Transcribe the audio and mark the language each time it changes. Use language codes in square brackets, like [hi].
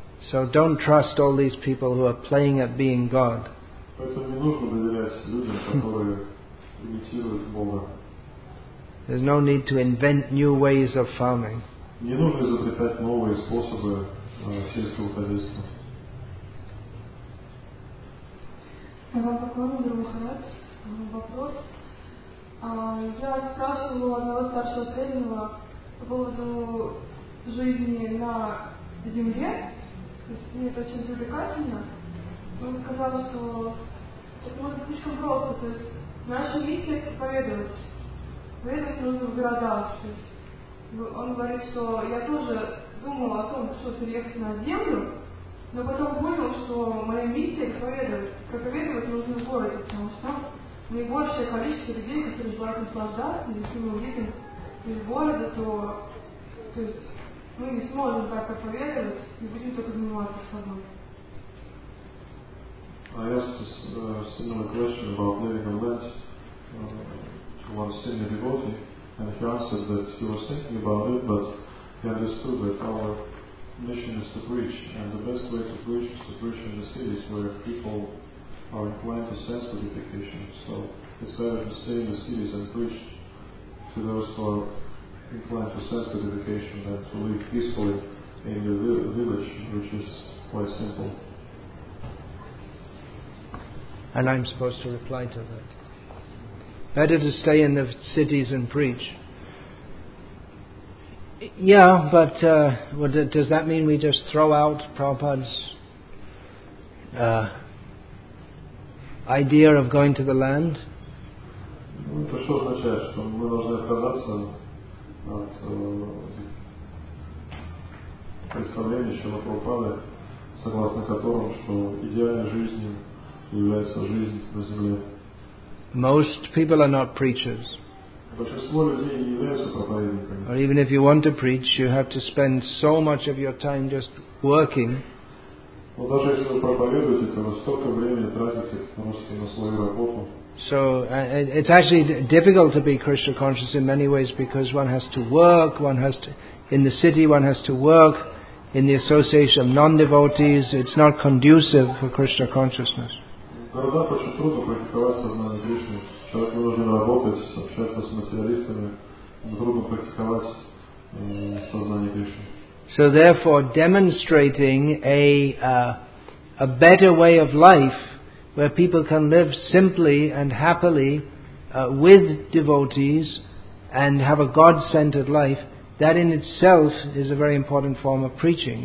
[en] So don't trust all these people who are playing at being God. [ru] Поэтому не нужно доверять людям, которые имитируют Бога. [en] There's no need to invent new ways of farming. [ru] Не нужно изобретать новые способы сельского хозяйства. Вам поклонен, Друг Мухаммад. Вопрос. Я спрашивала одного старшего тренера по поводу жизни на земле. То есть мне это очень привлекательно. Он сказал, что это может слишком просто. То есть наша миссия — это проповедовать нужно в городах. То есть он говорит, что я тоже думала о том, что переехать на землю, но потом понял, что моя миссия — это проповедовать нужно в городе, потому что там наибольшее количество людей, которые желают наслаждаться, если мы уедем из города, то есть мы не сможем так проповедовать и будем только заниматься собой. [en] I asked a similar question about living on land to one senior devotee, and he answered that he was thinking about it, but he understood that our mission is to preach, and the best way to preach is to preach in the cities where people are inclined to sense purification. So it's better to stay in the cities and preach to those who are inclined to sense purification than to live peacefully in the village, which is quite simple. And I'm supposed to reply to that. Better to stay in the cities and preach. Yeah, but does that mean we just throw out Prabhupada's idea of going to the land? [ru] Это что означает, что мы должны отказаться от представления Шрилы Прабхупады, согласно которому, что идеальной жизнью является жизнь на земле? [en] Most people are not preachers. [ru] Большинство людей не являются проповедниками. [en] Or even if you want to preach, you have to spend so much of your time just working. [ru] Но даже если вы проповедуете, то вы столько времени тратите просто на свою работу. [en] So it's actually difficult to be Krishna conscious in many ways, because one has to work, one has to work in the association of non-devotees. It's not conducive for Krishna consciousness. [ru] Городах очень трудно практиковать сознание Кришны. Человек должен работать, общаться с материалистами, трудно практиковать сознание Кришны. [en] So therefore, demonstrating a better way of life, where people can live simply and happily with devotees and have a God-centered life, that in itself is a very important form of preaching.